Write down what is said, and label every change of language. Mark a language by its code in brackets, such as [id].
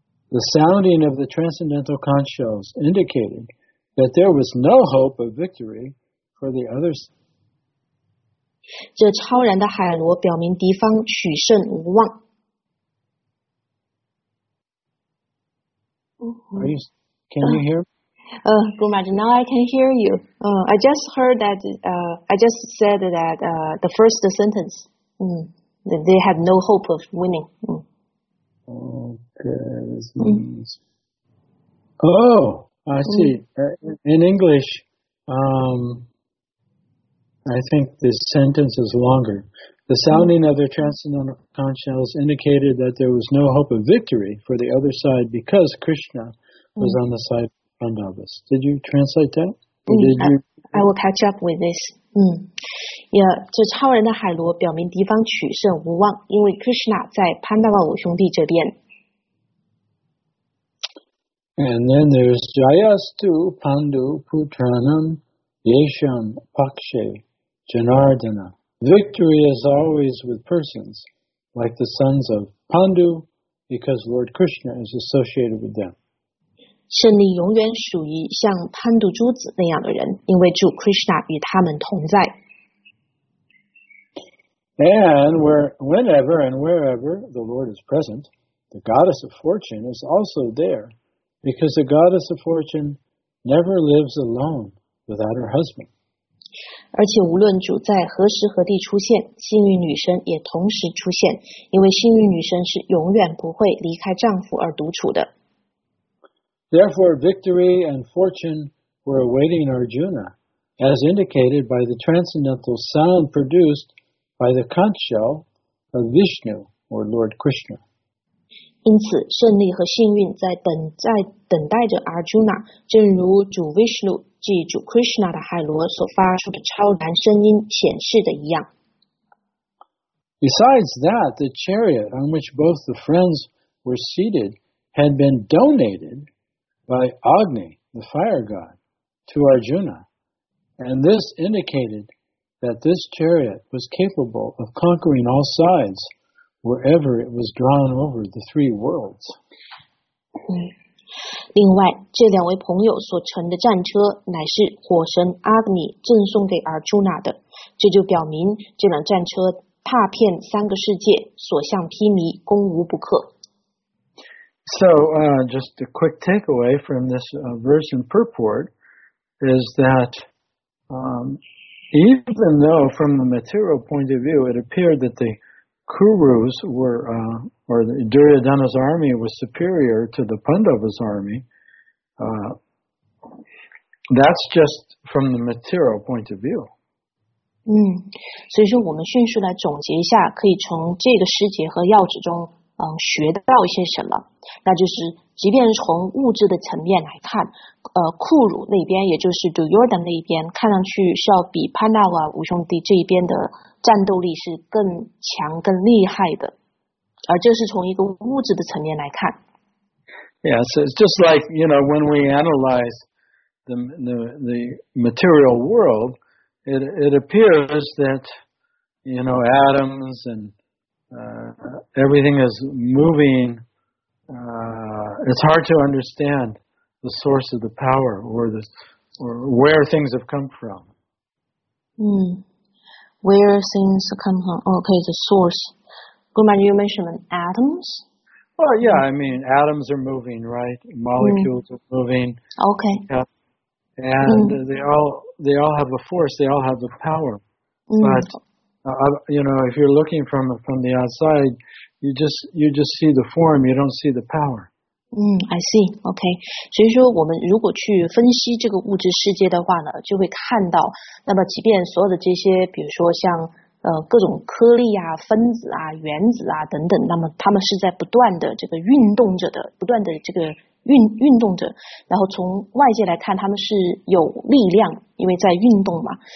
[en] The sounding of the transcendental conch shells indicated that there was no hope of victory for the others. [zh] 这超然的海螺表明敌方取胜无望。 [en] Can you hear me? Gurumaj, now I can hear you. I just heard that, I just said that the first sentence, that they had no hope of winning. Okay, this means... Oh, I see. In English, I think this sentence is longer. The sounding of their transcendental conch shells indicated that there was no hope of victory for the other side because Krishna was on the side. Did you translate that? I will catch up with this. [zh] Yeah, 这超人的海螺表明敌方取胜无望，因为 Krishna 在潘达瓦五兄弟这边。 [en] And then there's [sa] Jayastu Pandu Putranam Yesham Pakshe Janardana. [en] Victory is always with persons like the sons of Pandu because Lord Krishna is associated with them. [zh] 胜利永远属于像潘杜珠子那样的人，因为主 Krishna 与他们同在。 [en] And whenever and wherever the Lord is present, the goddess of fortune is also there, because the goddess of fortune never lives alone without her husband. [zh] 而且无论主在何时何地出现，幸运女神也同时出现，因为幸运女神是永远不会离开丈夫而独处的。 [en] Therefore, victory and fortune were awaiting Arjuna, as indicated by the transcendental sound produced by the conch shell of Vishnu, or Lord Krishna. [zh] 因此，胜利和幸运在等待着 Arjuna, 正如主 Vishnu 即主 Krishna 的海螺所发出的超然声音显示的一样。 [en] Besides that, the chariot on which both the friends were seated had been donated. By Agni, the fire god, to Arjuna, and this indicated that this chariot was capable of conquering all sides wherever it was drawn over the three worlds. [zh] 另外，这两位朋友所乘的战车乃是火神 Agni 赠送给 Arjuna 的，这就表明这辆战车踏遍三个世界，所向披靡，攻无不克。 [en] So, just a quick takeaway from this verse and purport is that even though from the material point of view it appeared that the Kurus were, or the Duryodhana's army was superior to the Pandava's army, that's just from the material point of view. [zh] 所以说我们迅速来总结一下，可以从这个诗节和要旨中学到一些什么，那就是即便从物质的层面来看，库鲁那边，也就是 Duryodhana 那边，看上去是要比潘达瓦五兄弟这一边的战斗力是更强更厉害的，而这是从一个物质的层面来看。 [en] Yeah, so it's just like, you know, when we analyze the material world, it appears that you know, atoms and everything is moving. It's hard to understand the source of the power or where things have come from. Where things come from. Okay, the source. Guman, you mentioned atoms? Well, yeah, I mean, atoms are moving, right? Molecules are moving. Okay. Yeah. And they all have a force, they all have the power. But, you know, if you're looking from the outside, you just see the form, you don't see the power. I see, okay. [zh] 所以说我们如果去分析这个物质世界的话呢，就会看到，那么即便所有的这些，比如说像各种颗粒啊、分子啊、原子啊等等，那么它们是在不断的这个运动着的，不断的这个运动着，然后从外界来看，它们是有力量，因为在运动嘛。